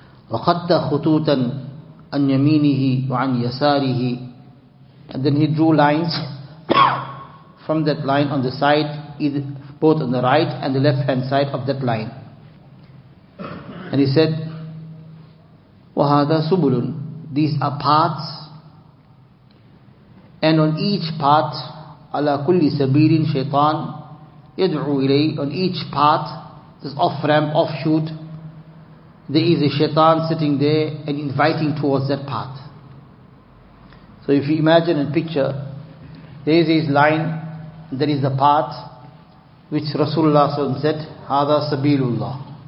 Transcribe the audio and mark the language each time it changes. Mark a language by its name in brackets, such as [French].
[Arabic] وَخَطَّ خُطُوتًا أَنْ يَمِينِهِ وَعَنْ يَسَارِهِ. [English] And then he drew lines from that line on the side, both on the right and the left hand side of that line. And he said, [Arabic] وَهَذَا سُبُلٌ. [English] These are paths. And on each path, [Arabic] عَلَى كُلِّ سَبِيلٍ شَيْطَانٍ يَدْعُوا إِلَيْهِ. [English] On each path, this off-ramp, offshoot, there is a shaitan sitting there and inviting towards that path. So if you imagine and picture, there is his line, there is the path which Rasulullah said, [Arabic] Hada sabilullah.